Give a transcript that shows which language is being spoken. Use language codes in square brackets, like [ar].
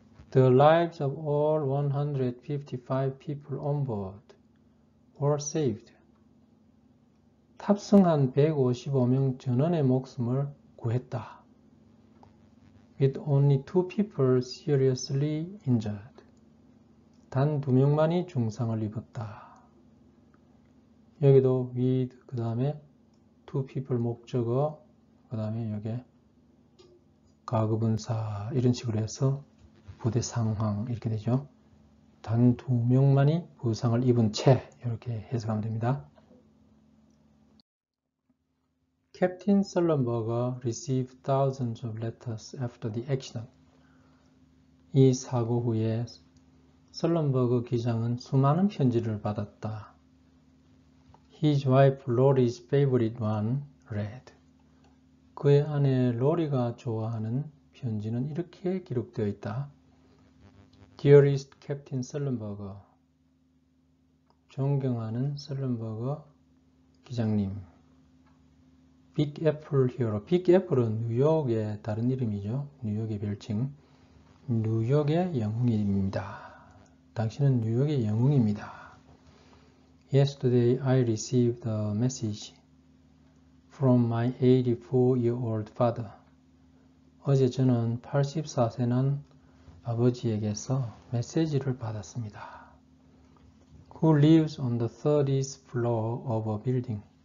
[en] The lives of all 155 people on board were saved. [ko] 탑승한 155명 전원의 목숨을 구했다. [en] With only two people seriously injured. [ko] 단두 명만이 중상을 입었다. 여기도 with, 그 다음에 two people 목적어, 그 다음에 여기에 과거분사, 이런 식으로 해서 부대 상황, 이렇게 되죠. 단두 명만이 부상을 입은 채, 이렇게 해석하면 됩니다. [en] Captain Sullenberger received thousands of letters after the accident. [ko] 이 사고 후에 설렌버거 기장은 수많은 편지를 받았다. [en] His wife Lori's favorite one read. [ko] 그의 아내 로리가 좋아하는 편지는 이렇게 기록되어 있다. [en] Dearest Captain Sullenberger, [ko] 존경하는 슬럼버거 기장님. [en] 빅 애플 히어로. [ko] 빅 애플은 뉴욕의 다른 이름이죠. 뉴욕의 별칭. 뉴욕의 영웅입니다. 당신은 뉴욕의 영웅입니다. [en] Yesterday I received a message from my 84-year-old father. [ko] 어제 저는 84세 난 아버지에게서 메시지를 받았습니다. [en] Who lives on the 30th floor of a building?